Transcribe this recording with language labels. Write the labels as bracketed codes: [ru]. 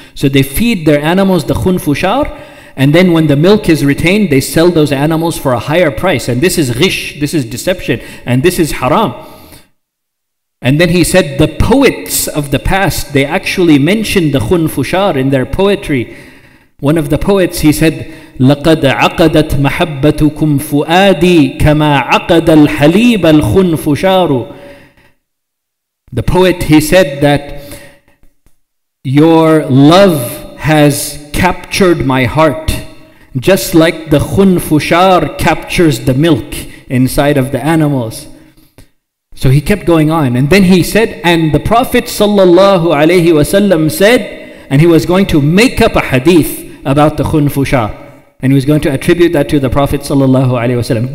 [en] So they feed their animals the khunfushar, and then when the milk is retained, they sell those animals for a higher price. And this is ghish, this is deception, and this is haram. And then he said, the poets of the past, they actually mentioned the khunfushar in their poetry. One of the poets, he said, [ar] لَقَدْ عَقَدَتْ مَحَبَّتُكُمْ فُؤَادِي كَمَا عَقَدَ الْحَلِيبَ الْخُنْفُشَارُ. [en] The poet, he said that your love has captured my heart, just like the khunfushar captures the milk inside of the animals. So he kept going on. And then he said, and the Prophet sallallahu alayhi wasallam said, and he was going to make up a hadith about the khunfushar, and he was going to attribute that to the Prophet sallallahu alaihi wasallam.